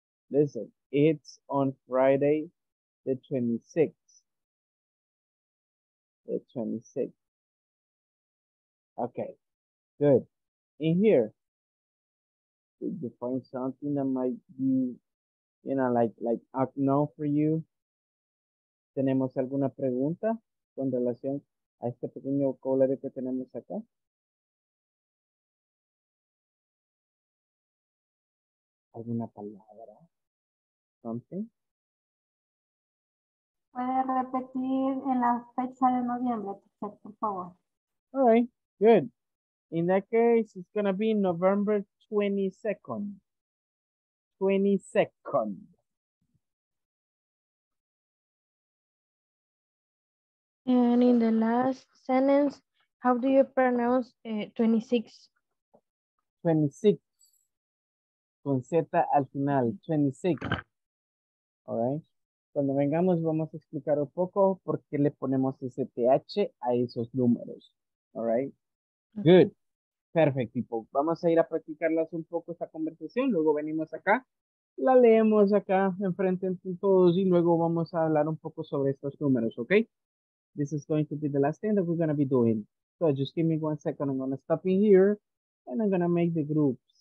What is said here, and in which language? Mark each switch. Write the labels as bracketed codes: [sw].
[en] Listen, it's on Friday, the 26th. The 26th. Okay, good. In here, did you find something that might be, you know, like unknown for you? [es] ¿Tenemos alguna pregunta con relación a este pequeño vocabulario que tenemos acá? ¿Alguna palabra? ¿Something? Puede repetir en la fecha de noviembre, por favor. [en] All right, good. In that case, it's going to be November 22nd. 22nd. And in the last sentence, how do you pronounce 26? [es] 26. Con Z al final, 26. [en] All right. [es] Cuando vengamos, vamos a explicar un poco por qué le ponemos ese TH a esos números. [en] All right. Okay. Good. Perfect, people. [es] Vamos a ir a practicarlas un poco esta conversación. Luego venimos acá. La leemos acá enfrente entre todos y luego vamos a hablar un poco sobre estos números. [en] Okay. This is going to be the last thing that we're going to be doing. So just give me 1 second. I'm going to stop in here and I'm going to make the group.